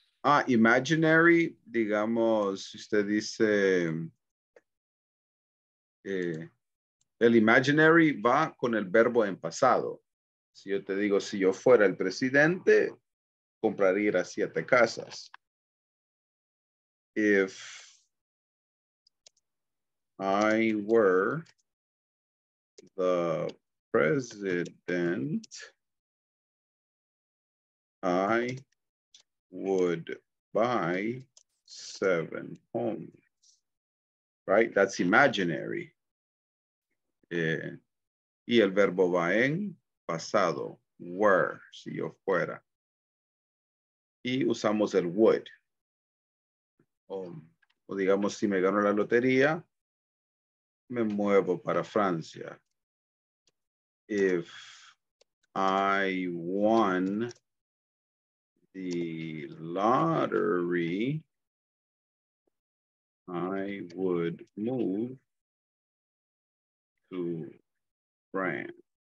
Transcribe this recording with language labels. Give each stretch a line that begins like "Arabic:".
Spanish: Ah, imaginary, digamos, usted dice, el imaginary va con el verbo en pasado. Si yo te digo, si yo fuera el presidente, compraría 7 casas.
English: If I were the president, I would buy 7 homes, right? That's imaginary.
Spanish: Y el verbo va en pasado, were, si yo fuera. Y usamos el would. O digamos, si me gano la lotería, me muevo para Francia.
English: If I won the lottery, I would move to France.